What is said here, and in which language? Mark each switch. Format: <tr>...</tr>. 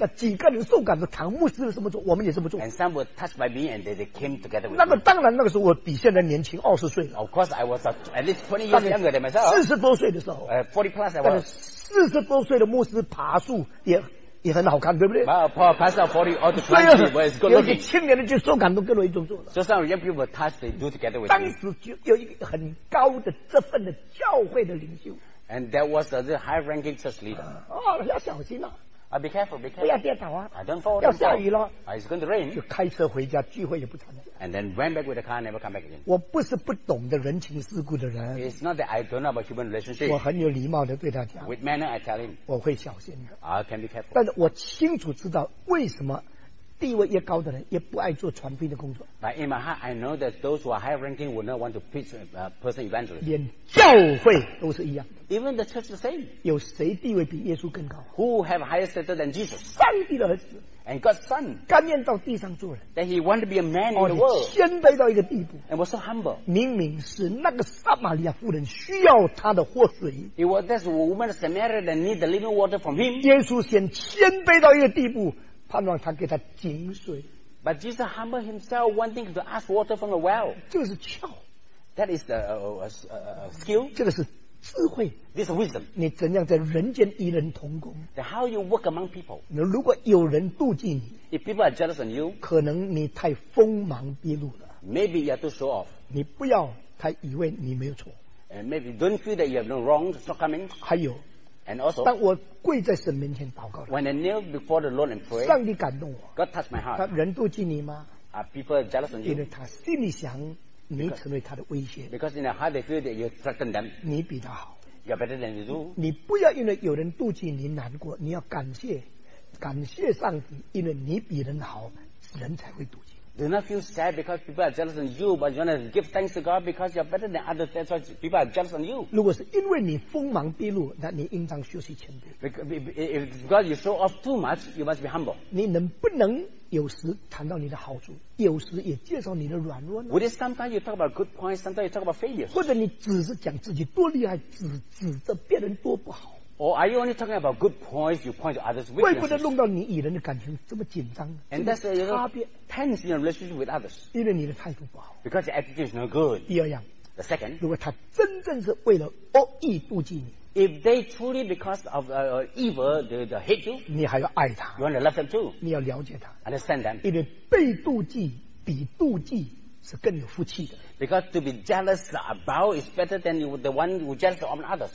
<zh>那几个人受感动，唐牧师这么做，我们也这么做。</zh> <en>And some were touched by me, and they came together with me.</en> <zh>那个当然，那个时候我比现在年轻二十岁了。</zh> <en>Of course, I was at least 20 years younger than myself.</en> <zh>四十多岁的时候。</zh> <en>40 plus, I was.</en> <zh>但是四十多岁的牧师爬树也很好看，对不对</zh> <en>？Well, past 40 or 20, but it's good looking.</en> <zh>有青年人就受感动，跟我一同做了。</zh> <en>So some young people touch, they do together with.</en> <zh>当时就有一个很高的这份的教会的领袖。</zh> <en>And that was the high-ranking church leader.</en> <zh>哦，要小心了。</zh> <en>Be careful, be careful.</en> <zh>不要跌倒啊</zh> <en>！I don't fall.</en> <zh>要下雨了。</zh> <en>It's going to rain.</en> <zh>就开车回家，聚会也不参加。</zh> <en>And then went back with the car, never come back again.</en> <zh>我不是不懂得人情世故的人。</zh> <en>It's not that I don't know about human relationships.</en> <zh>我很有礼貌的对他讲。</zh> <en>With manner, I tell him.</en> <zh>我会小心的。</zh> <en>I can be careful.</en> <zh>但是我清楚知道为什么地位越高的人越不爱做传福音的工作。</zh> <en>But in my heart, I know that those who are high ranking would not want to preach a person evangelist.</en> <zh>连教会都是一样。</zh> <en>Even the church is the same.</en> <zh>有谁地位比耶稣更高？</zh> <en>Who have higher status than Jesus?</en> <zh>上帝的儿子。</zh> <en>And God's son.</en> <zh>甘愿到地上做人。</zh> <en>That he wanted to be a man in the world.</en> <zh>谦卑到一个地步。</zh> <en>And was so humble.</en> <zh>明明是那个撒玛利亚妇人需要他的活水。</zh> <en>It was this woman of Samaria that needed the living water from him.</en> <zh>耶稣先谦卑到一个地步，盼望他给他井水。</zh> <en>But Jesus humbled himself, wanting to ask water from the well.</en> <zh>这个是巧。</zh> <en>That is the skill.</en> <zh>这个是。智慧</zh> <en>This wisdom.</en> <zh>你怎样在人间与人同工</zh> <en>How you work among people</en> <zh>如果有人妒忌你</zh> <en>If people are jealous on you</en> <zh>可能你太锋芒毕露了</zh> <en>Maybe you are too show off</en> <zh>你不要太以为你没有错</zh> <en>And maybe don't feel that you have no wrong shortcomings</en> <zh>还有</zh> <en>And also</en> <zh>当我跪在神面前祷告</zh> <en>When I kneel before the Lord and pray</en> <zh>上帝感动我</zh> <en>God touched my heart</en> <zh>他人妒忌你吗</zh> <en>Are people jealous on you</en> <zh>因为他心里想你成为他的威胁</zh> <en>because in their heart they feel that you threaten them</en> <zh>你比他好</zh> <en>you're better than you do</en> <zh>你不要因为有人妒忌你难过你要感谢上帝因为你比人好人才会妒忌</zh> <en>do not feel sad because people are jealous on you but you want to give thanks to God because you're better than others that's why people are jealous on you</en> <zh>如果是因为你锋芒毕露那你应当学习谦卑</zh> <en>because you show off too much you must be humble</en> <zh>你能不能有时谈到你的好处，有时也介绍你的软弱。</zh> <en>Would it sometimes you talk about good points, sometimes you talk about failures?</en> <zh>或者你只是讲自己多厉害，指着别人多不好。</zh> <en>Or are you only talking about good points? You point to others' weaknesses.</en> <zh>怪不得弄到你与人的感情这么紧张。</zh> <en>And that's the you know, tense in your relationship with others.</en> <zh>因为你的态度不好。</zh> <en>Because your attitude is not good.</en> <zh>第二样。</zh> <en>The second.</en> <zh>如果他真正是为了恶意妒忌你。</zh> <en>If they truly because of evil, they hate you.</en> <zh>你还要爱他。</zh> <en>You want to love them too.</en> <zh>你要了解他。</zh> <en>Understand them.</en> <zh>因为被妒忌比妒忌是更有福气的。</zh> <en>Because to be jealous about is better than the one who jealous on others.</en>